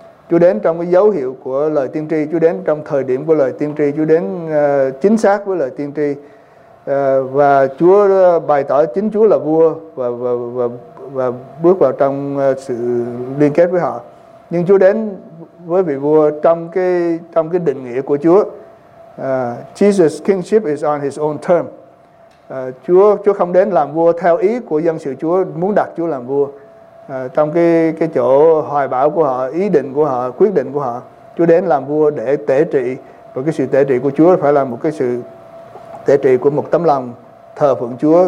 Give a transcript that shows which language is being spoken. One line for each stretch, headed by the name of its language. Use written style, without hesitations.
Vietnamese: Chúa đến trong cái dấu hiệu của lời tiên tri, Chúa đến trong thời điểm của lời tiên tri, Chúa đến chính xác với lời tiên tri. Và Chúa bày tỏ chính Chúa là vua và bước vào trong sự liên kết với họ. Nhưng Chúa đến với vị vua trong cái định nghĩa của Chúa.
English: Jesus kingship is on his own term.
Vietnamese: Chúa không đến làm vua theo ý của dân sự Chúa muốn đặt Chúa làm vua. Trong cái chỗ hoài bão của họ, ý định của họ, quyết định của họ, Chúa đến làm vua để tể trị. Và cái sự tể trị của Chúa phải là một cái sự tể trị của một tấm lòng thờ phượng Chúa.